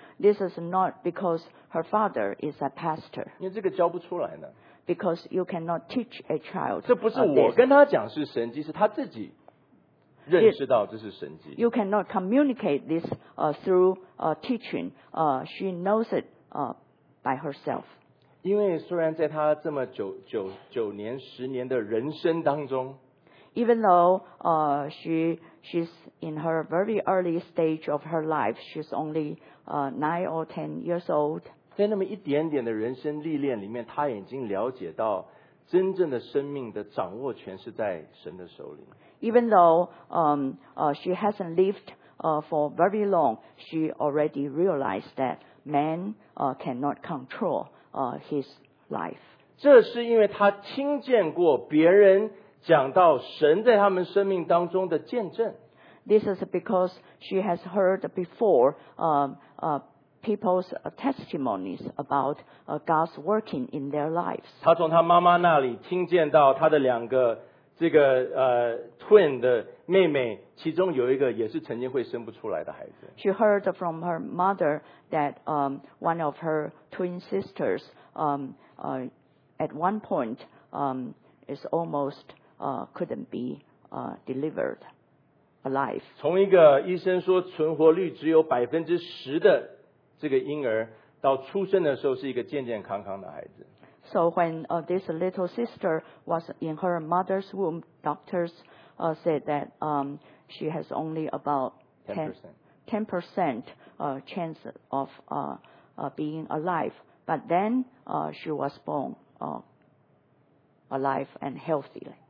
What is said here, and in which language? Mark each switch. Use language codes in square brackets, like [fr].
[en] This is not because her father is a pastor. [zh] 因为这个教不出来呢。 [en] Because you cannot teach a child. [zh] 这不是我跟她讲是神迹，是她自己认识到这是神迹。 [en] You cannot communicate this through teaching. She knows it by herself. [zh] 因为虽然在他这么九年十年的人生当中 [en] ，even though she's in her very early stage of her life, she's only nine or ten years old. [zh] 在那么一点点的人生历练里面，他已经了解到真正的生命的掌握权是在神的手里。 [en] Even though she hasn't lived for very long, she already realized that man cannot control. His life. [zh] 这是因为他听见过别人讲到神在他们生命当中的见证。 [en] This is because she has heard before people's testimonies about God's working in their lives. [zh] 他从他妈妈那里听见到他的两个这个twin 的妹妹，其中有一个也是曾经会生不出来的孩子。 [en] She heard from her mother that one of her twin sisters at one point is almost couldn't be delivered alive. [zh] 从一个医生说存活率只有10%的这个婴儿，到出生的时候是一个健健康康的孩子。 [en] So when this little sister was in her mother's womb, doctors said that she has only about 10% chance of being alive. But then she was born alive and healthy.